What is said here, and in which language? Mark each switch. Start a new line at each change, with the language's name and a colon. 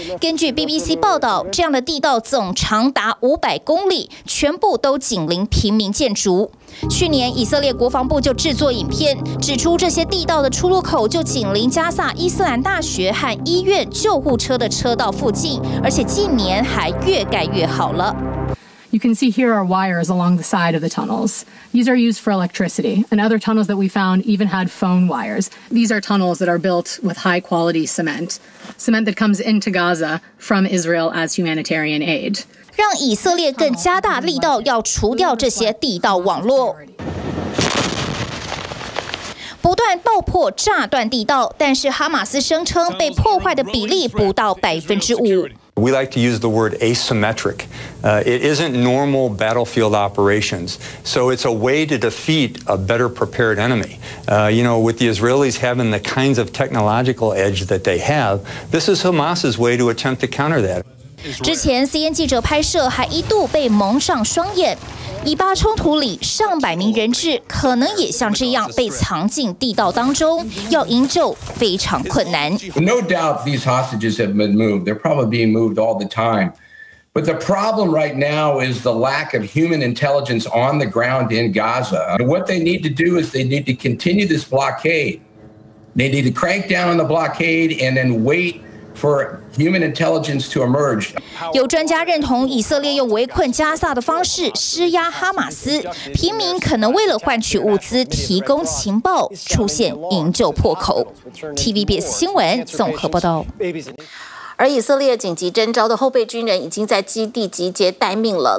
Chinese: 根据 BBC 报道，这样的地道总长达500公里，全部都紧邻平民建筑。去年，以色列国防部就制作影片，指出这些地道的出入口就紧邻加萨伊斯兰大学和医院救护车的车道附近，而且近年还越盖越好了。
English: You can see here are wires along the side of the tunnels. These are used for electricity. And other tunnels that we found even had phone wires. These are tunnels that are built with high quality cement. Cement that comes into Gaza from Israel as humanitarian aid.
Chinese: 让以色列更加大力道要除掉这些地道网络。不断爆破炸断地道，但是哈马斯声称被破坏的比例不到5%。
English: We like to use the word asymmetric. It isn't normal battlefield operations. So it's a way to defeat a better prepared enemy. You know, with the Israelis having the kinds of technological edge that they have, this is Hamas's way to attempt to counter that.
Chinese: 之前 CNN 记者拍摄还一度被蒙上双眼。以巴冲突里，上百名人质可能也像这样被藏进地道当中，要营救非常困难。
English: No doubt these hostages have been moved. They're probably being moved all the time. But the problem right now is the lack of human intelligence on the ground in Gaza. What they need to do is they need to continue this blockade. They need to crank down on the blockade and then wait for human intelligence to emerge.
Chinese: 有专家认同以色列用围困加萨的方式施压哈马斯，平民可能为了换取物资提供情报，出现营救破口。 TVBS 新闻综合报道。而以色列紧急征召的后备军人已经在基地集结待命了。